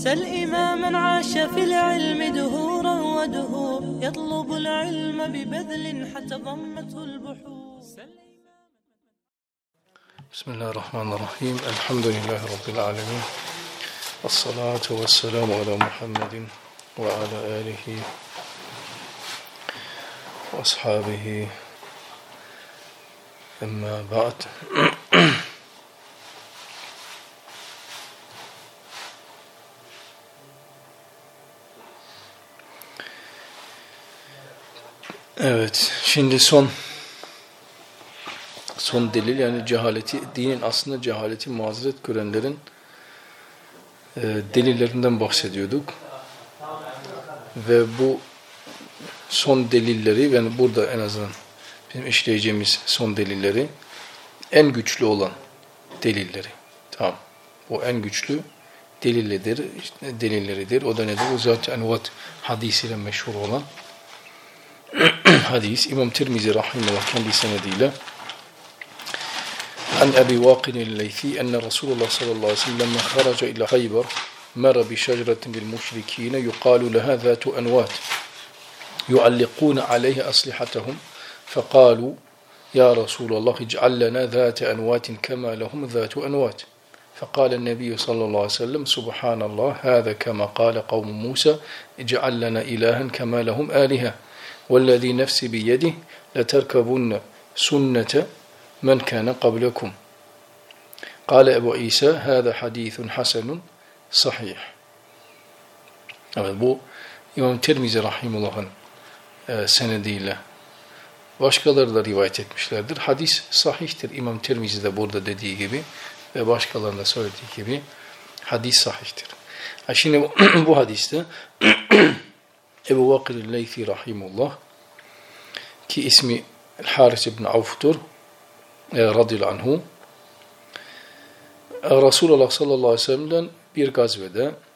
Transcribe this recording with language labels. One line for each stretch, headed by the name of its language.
Arabic: سل إماما عاش في العلم دهورا ودهور يطلب العلم ببذل حتى ضمته البحور. بسم الله الرحمن الرحيم. الحمد لله رب العالمين، الصلاة والسلام على محمد وعلى آله وأصحابه، أما بعد،
Turkish: evet, şimdi son delil, yani cehaleti, dinin aslında cehaleti mazeret görenlerin delillerinden bahsediyorduk ve bu son delilleri, yani burada en azından bizim işleyeceğimiz son delilleri, en güçlü olan delilleri, tamam, o en güçlü delilidir, işte delilleridir. O da nedir? O Zat-ı Envat hadisiyle meşhur olan hadis, İmam Tirmizi rahimahullah kendi senediyle.
Arabic: عن أبي واقن الليثي أن رسول الله صلى الله عليه وسلم خرج إلى خيبر مر بشجرة للمشركين يقال لها ذات أنوات يعلقون عليها أسلحتهم فقالوا يا رسول الله اجعل لنا ذات أنوات كما لهم ذات أنوات فقال النبي صلى الله عليه وسلم سبحان الله هذا كما قال قوم موسى اجعل لنا إلها كما لهم آلهة والذي نفسي بيده لتركبن سنة من كان قبلكم. قال أبو عيسى هذا حديث حسن صحيح.
Turkish: Evet, bu İmam Tirmizi rahimullah'ın senediyle. Başkaları da rivayet etmişlerdir. Hadis sahihtir. İmam Tirmizi de burada dediği gibi ve başkalarına söylediği gibi hadis sahihtir. Ha şimdi bu hadiste Ebu Vakil el-Leysi rahimullah, ki ismi Haris ibn Avf'tur radıyallahu anhu, Resulullah sallallahu aleyhi ve sellem'den bir gazvede